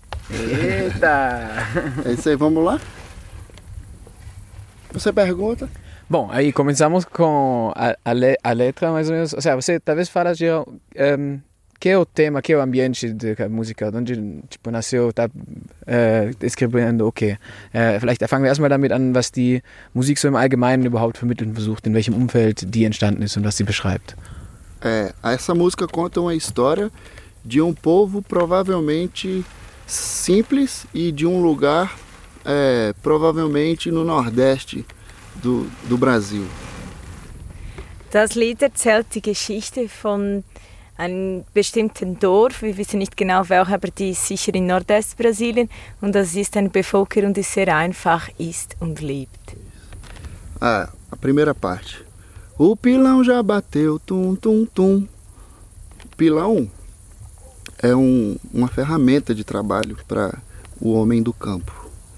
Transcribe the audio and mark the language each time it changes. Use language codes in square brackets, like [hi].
[pt] É isso aí, vamos lá? Você pergunta? Bom, aí começamos com a letra, mais ou menos. Ou seja, você talvez fala de... que é o tema, que é o ambiente da música? De onde, tipo, nasceu, tá escrevendo, ok. [de] Vielleicht fangen wir erstmal damit an, was die Musik so im Allgemeinen überhaupt vermitteln versucht, in welchem Umfeld die entstanden ist und was sie beschreibt. [pt] Essa música conta uma história de povo provavelmente... simples e de lugar provavelmente no Nordeste do Brasil. [de] Das Lied erzählt die Geschichte von einem bestimmten Dorf, wir wissen nicht genau welcher, aber die ist sicher in Nordwestbrasilien und das ist eine Bevölkerung, die sehr einfach ist und lebt. [pt] A primeira parte. O pilão já bateu tum tum tum. Pilão é uma ferramenta de trabalho para o homem do campo.